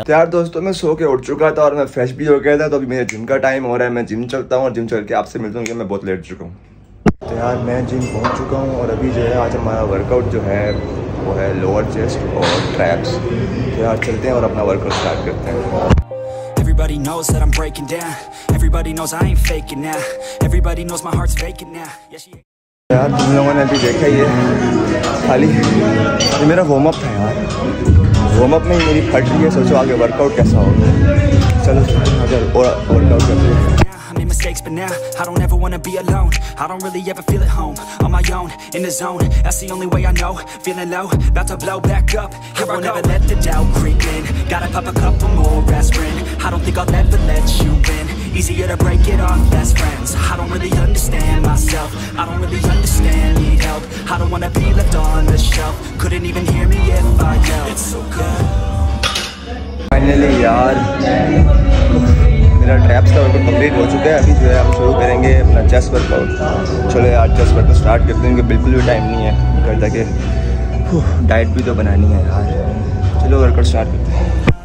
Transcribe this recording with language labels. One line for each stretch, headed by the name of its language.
Hindi: तो यार दोस्तों मैं सो के उठ चुका था और मैं फ्रेश भी हो गया था, तो अभी मेरे जिम का टाइम हो रहा है। मैं जिम चलता हूँ और जिम चल के आपसे मिलता हूँ, क्योंकि मैं बहुत लेट चुका हूँ। तो यार मैं जिम पहुँच चुका हूँ और अभी जो है आज हमारा वर्कआउट जो है वो है लोअर चेस्ट और ट्रैप्स। तो यार चलते हैं और अपना वर्कआउट स्टार्ट करते हैं।
English: Everybody knows that I'm breaking down. Everybody knows I ain't faking now. Everybody knows my heart's faking now.
Hindi: यार तुम लोगों ने अभी देखा ये खाली है, ये मेरा वार्म अप था यार। वार्म अप में मेरी फट रही है, सोचो आगे वर्कआउट कैसा होगा। चलो अगर और वर्कआउट करते हैं।
English: Mistakes, but now I don't ever wanna be alone. I don't really ever feel at home on my own in the zone. That's the only way I know. Feeling low, about to blow back up. Here I won't ever let the doubt creep in. Gotta pop a couple more aspirin. I don't think I'll ever let you win. Easier to break it off best friends. I don't really understand myself. I don't really understand. Need help. I don't wanna be left on the shelf. Couldn't even hear me if I yelled. It's so good. Finally, yaar.
Hindi: मेरा traps का workout complete हो चुका है, अभी जो है हम शुरू करेंगे अपना चेस्ट वर्कआउट। चलो यार चेस्ट वर्कआउट स्टार्ट करते हैं, क्योंकि बिल्कुल भी टाइम नहीं है कर तक। डाइट भी तो बनानी है यार। चलो वर्कआउट स्टार्ट करते हैं।